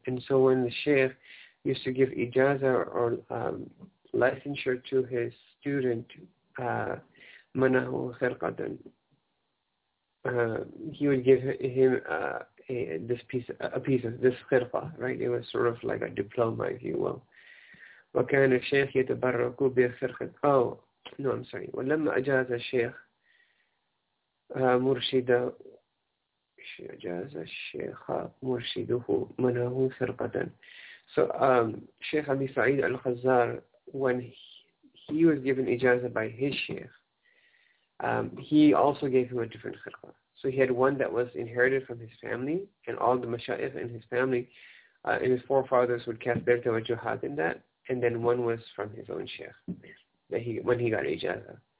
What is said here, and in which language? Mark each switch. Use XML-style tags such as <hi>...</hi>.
<en>And so when the sheikh used to give ijazah or licensure to his student,</en> <ar>منعه خرقة,</ar> <en>he would give him this خرقة, right? It was sort of like a diploma, if you will.</en> <ar>وكان الشيخ يتبرك بخرقة.</ar> <en>Oh, no, I'm sorry.</en> <ar>ولما أجاز الشيخ مرشدا, أجاز الشيخ مرشده منه خرقة.</ar> <en>So Sheikh Abi Sa'id Al-Khazar, when he was given ijazah by his sheikh, he also gave him a different khirqa. So he had one that was inherited from his family, and all the mashayikh in his family, and his forefathers would cast their tawajjuhat in that, and then one was from his own sheikh, that he, when he got ijazah.</en>